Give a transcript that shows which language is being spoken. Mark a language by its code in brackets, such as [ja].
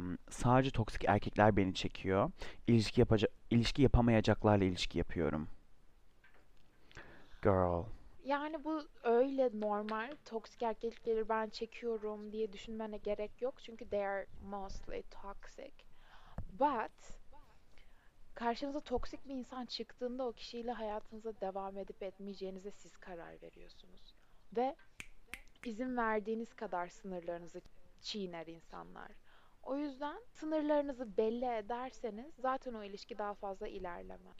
[tr] Sadece toksik erkekler beni çekiyor. İlişki yapamayacaklarla ilişki yapıyorum. [en] Girl. [tr] Yani bu öyle normal, toksik erkekleri ben çekiyorum diye düşünmene gerek yok. Çünkü [en] they are mostly toxic. But [tr] karşınıza toksik bir insan çıktığında o kişiyle hayatınıza devam edip etmeyeceğinize siz karar veriyorsunuz. Ve izin verdiğiniz kadar sınırlarınızı çiğner insanlar. O yüzden sınırlarınızı belli ederseniz zaten o ilişki daha fazla ilerlemez.